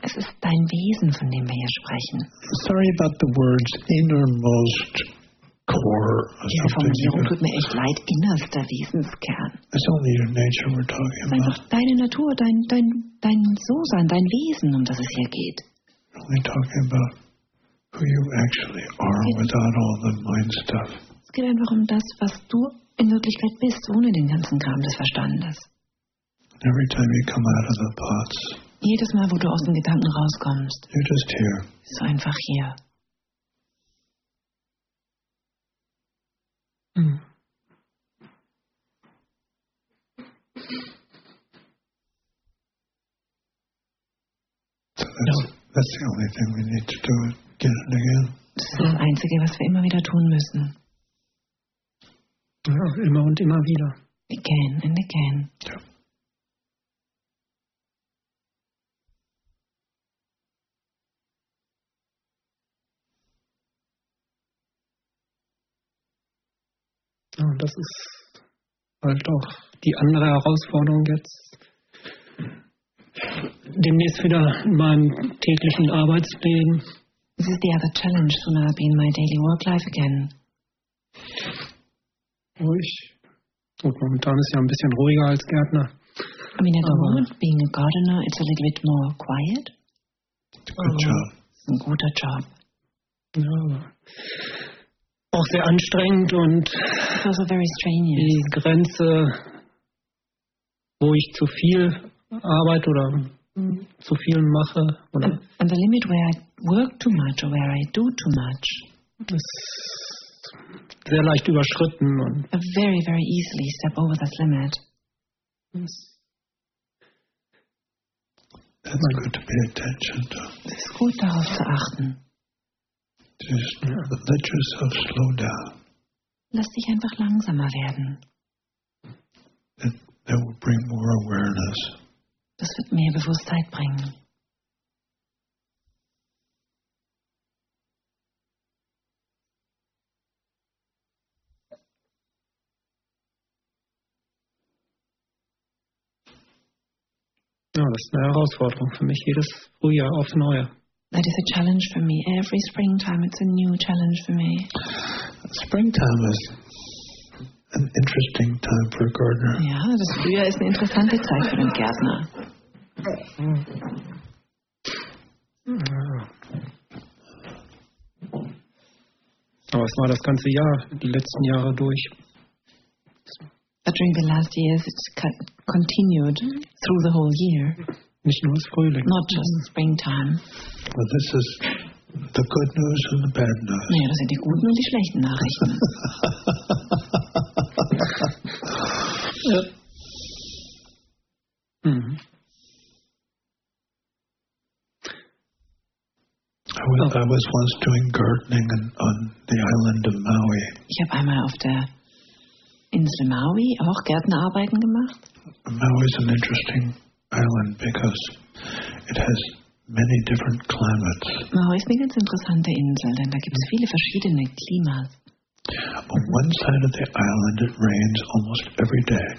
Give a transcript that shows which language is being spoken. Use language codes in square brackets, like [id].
[de] Es ist dein Wesen, von dem wir hier sprechen. [en] Sorry about the words innermost core. [de] Die Formulierung tut mir echt leid. Innerster Wesenskern. [en] It's only your nature we're talking about. [de] Es ist einfach deine Natur, dein So-Sein, dein Wesen, um das es hier geht. [en] Only talking about who you actually are without all the mind stuff. [de] Es geht einfach um das, was du in Wirklichkeit bist, ohne den ganzen Kram des Verstandes. [en] Every time you come out of the thoughts. [de] Jedes Mal, wo du aus den Gedanken rauskommst. [en] You're just here. [de] So einfach hier. [en] That's the only thing we need to do, get it again. [de] Das ist das Einzige, was wir immer wieder tun müssen. Ja, immer und immer wieder. [en] Again and again. [de] Ja. Ja, das ist halt auch die andere Herausforderung jetzt. Demnächst wieder in meinem täglichen Arbeitsleben. [en] This is the other challenge to now be in my daily work life again. [de] Ruhig. Gut, momentan ist ja ein bisschen ruhiger als Gärtner. [en] I mean, at the moment, being a gardener, it's a little bit more quiet. Good job. [de] Ein guter Job. Ja, auch sehr anstrengend und [en] it's also very strenuous. [de] Die Grenze, wo ich zu viel Arbeit oder zu viel mache. Oder [en] and the limit where I work too much or where I do too much. [de] Das sehr leicht überschritten. Und [en] very, very easily step over that limit. That's good to pay attention to. [de] Es ist gut, darauf zu achten. [en] Just let yourself slow down. [de] Lass dich einfach langsamer werden. [en] That will bring more awareness. [de] Das wird mehr Bewusstheit bringen. Ja, das ist eine Herausforderung für mich, jedes Frühjahr auf Neue. [en] That is a challenge for me. Every springtime it's a new challenge for me. Springtime is an interesting time for a gardener. [de] Ja, das Frühjahr ist eine interessante Zeit für den Gärtner. Aber es war das ganze Jahr, die letzten Jahre durch. [en] But during the last years it continued through the whole year. [de] Nicht nur das Frühling. [en] Not just springtime. Well, this is the good news and the bad news. [de] Naja, das sind die guten und die schlechten Nachrichten. Mm-hmm. [en] I was once doing gardening on the island of Maui. [de] Ich habe einmal auf der Insel Maui auch Gärtnerarbeiten gemacht. [en] Maui is an interesting island because it has many different climates. [de] Maui ist eine ganz interessante Insel, denn da gibt es viele verschiedene Klimas. [en] On one side of the island it rains almost every day.